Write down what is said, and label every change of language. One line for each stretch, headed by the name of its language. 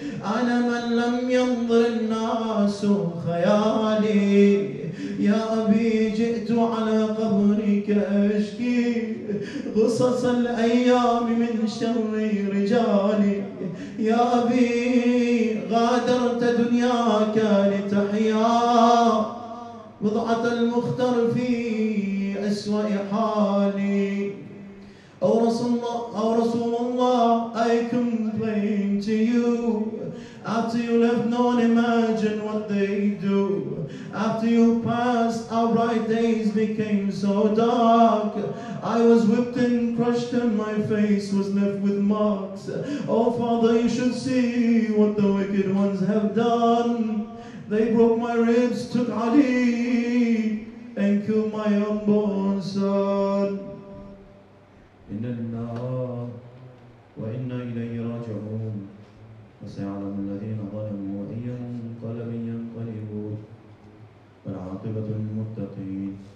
Arabic: أنا من لم ينظر الناس خيالي يا أبي جئت على قبرك أشكي قصص الأيام من شر رجالي يا أبي غادرت دنياك لتحيا بضعة المختر في أسوأ حالي.
English: Oh Rasulullah, I complain to you. After you left, no one imagined what they do. After you passed, our bright days became so dark. I was whipped and crushed and my face was left with marks. Oh Father, you should see what the wicked ones have done. They broke my ribs, took Ali, and killed my unborn son.
Arabic: إن النار وإنا إليه راجعون وسيعلم الذين ظلموا أي منقلب ينقلبون والعاقبة للمتقين.